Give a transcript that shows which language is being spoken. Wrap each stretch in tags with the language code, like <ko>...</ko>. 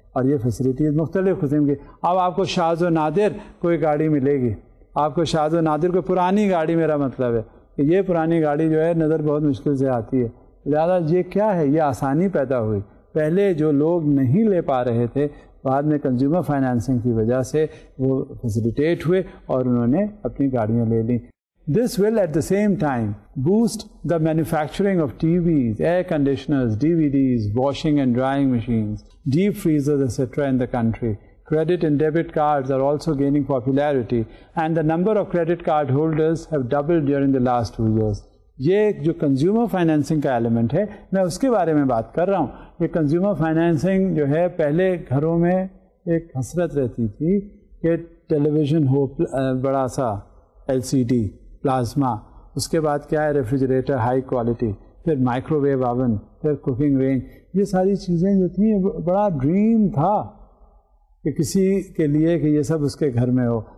<ur>اور یہ فیسلٹیز مختلف قسم کی. اب آپ کو شاذ و نادر کوئی گاڑی ملے گی, آپ کو شاذ و نادر کوئی پرانی گاڑی, میرا مطلب ہے کہ یہ پرانی گاڑی جو ہے نظر بہت مشکل سے آتی ہے. لہٰذا یہ کیا ہے, یہ آسانی پیدا ہوئی. پہلے جو لوگ نہیں لے پا رہے تھے, بعد میں کنزیومر فائنانسنگ کی وجہ سے وہ فیسلٹیٹ ہوئے اور انہوں نے اپنی گاڑیاں لے لیں.</ur> <en>This will at the same time boost the manufacturing of TVs, air conditioners, DVDs, washing and drying machines, deep freezers, etc. in the country. Credit and debit cards are also gaining popularity and the number of credit card holders have doubled during the last 2 years.</en> <ur>یہ جو consumer financing کا element ہے میں اس کے بارے میں بات کر رہا ہوں. یہ کنزیومر فائنینسنگ جو ہے, پہلے گھروں میں ایک حسرت رہتی تھی کہ ٹیلی ویژن ہو بڑا سا, ایل سی ڈی, پلازما, اس کے بعد کیا ہے, ریفریجریٹر ہائی کوالٹی, پھر مائکرو ویو اوون, پھر کوکنگ رینج, یہ ساری چیزیں جو تھیں بڑا ڈریم تھا کہ کسی کے لیے کہ یہ سب اس کے گھر میں ہو.</ur>